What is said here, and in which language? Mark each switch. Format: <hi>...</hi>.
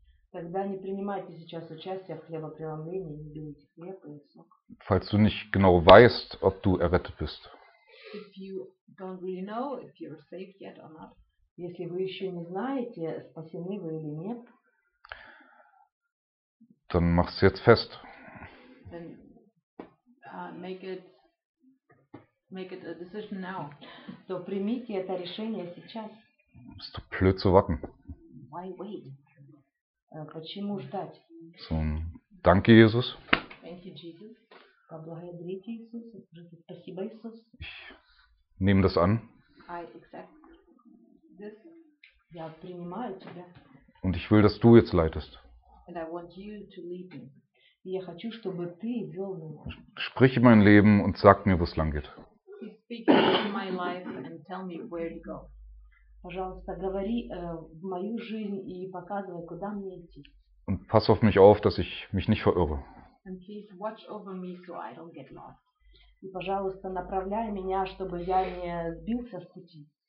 <ru>Тогда не принимайте сейчас участие в хлебопреломлении, не берите хлеб и сок.</ru> <de>Falls du nicht genau weißt, ob du errettet bist.</de> <en>If you don't really know if you're saved yet or not.</en> <ru>Если вы еще не знаете, спасены вы или нет.</ru> <de>Dann mach's jetzt fest.</de> <en>Then, make it a decision now.</en> <ru>So, примите это решение сейчас.</ru> <de>Ist doch blöd zu warten.</de> <en>Why wait?</en> <ru>Почему ждать?</ru> <de>So, danke, Jesus.</de> <en>Thank you, Jesus.</en> <ru>Поблагодарите Иисус. Спасибо, Иисус.</ru> <de>Ich nehme das an.</de> <en>I accept this.</en> <ru>Я принимаю тебя.</ru> <de>Und ich will, dass du jetzt leitest.</de> <en>And I want you to lead me.</en> <ru>Я хочу, чтобы ты вел меня.</ru> <de>Sprich in mein Leben und sag mir, wo es lang geht.</de> <en>Please speak in my life and tell me where to go.</en> <ru>Пожалуйста, говори в мою жизнь и показывай, куда мне идти.</ru> <de>Und pass auf mich auf, dass ich mich nicht verirre.</de> <en>And please watch over me, so I don't get lost.</en> <ru>И, пожалуйста, направляй меня, чтобы я не сбился с пути.</ru>